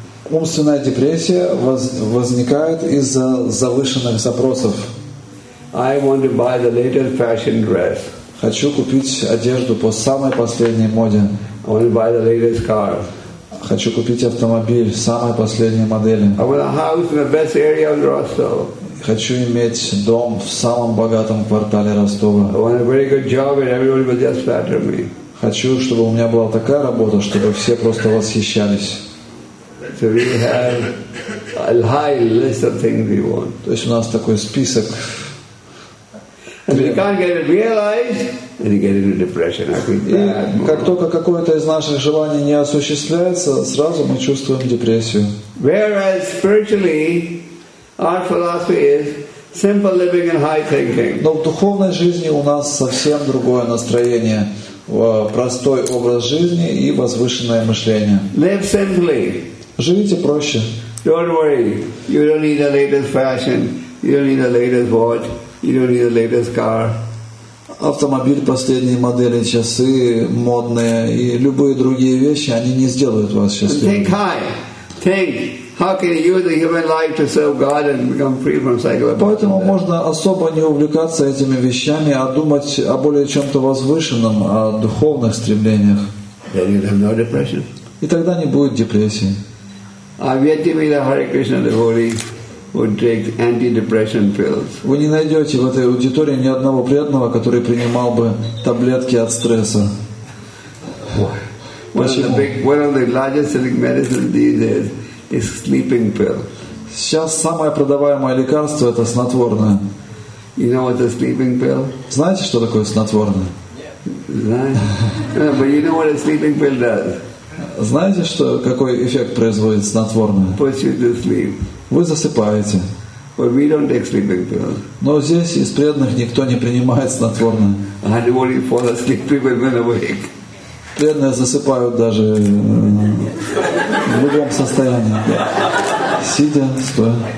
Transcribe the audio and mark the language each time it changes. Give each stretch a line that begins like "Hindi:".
Russian: Умственная депрессия возникает из-за завышенных запросов.
English: I want to buy the latest fashion dress.
Russian: Хочу купить одежду по самой последней моде.
English: I want to buy the latest car.
Russian: Хочу купить автомобиль самой последней модели.
English: I want a house in the best area of Rostov.
Russian: Хочу иметь дом в самом богатом квартале Ростова.
English: I want a very good job and everyone will just flatter me.
Russian: Хочу, чтобы у меня была такая работа, чтобы все просто восхищались.
English: So we have a high list of things we want.
Russian: То есть у нас такой список.
English: If you can't get it realized, then you get into depression. I feel bad.
Russian: Как только какое-то из наших желаний не осуществляется, сразу мы чувствуем депрессию.
English: Whereas spiritually, our philosophy is simple living and high thinking.
Russian: Но в духовной жизни у нас совсем другое настроение, простой образ жизни и возвышенное мышление.
English: Live simply.
Russian: Живите проще.
English: Don't worry. You don't need the latest fashion. You don't need the latest watch. You don't need the latest car.
Russian: Автомобиль последней модели, часы модные и любые другие вещи, они не сделают вас счастливым.
English: Think high. Think. How can you use the human life to serve God and become free from cycle?
Russian: Поэтому можно особо не увлекаться этими вещами, а думать о более чем-то возвышенном, о духовных стремлениях.
English: Then you have no depression.
Russian: И тогда не будет депрессии.
English: I've yet to meet a Hare Krishna devotee. Would take anti-depression pills.
Russian: Вы не найдете в этой аудитории ни одного преданного, который принимал бы таблетки от стресса.
English: One of the largest selling medicines these days is sleeping pill.
Russian: Сейчас самое продаваемое лекарство это снотворное.
English: You know what a sleeping pill?
Russian: Знаете, что такое снотворное? Знаю.
English: But you know what a sleeping pill does?
Russian: Знаете, что какой эффект производит снотворное?
English: Puts you to sleep.
Russian: Вы засыпаете.
English: But we don't take sleeping pills.
Russian: Но здесь из преданных никто не принимает снотворное. Преданные засыпают даже в любом состоянии. Сидя, стоя.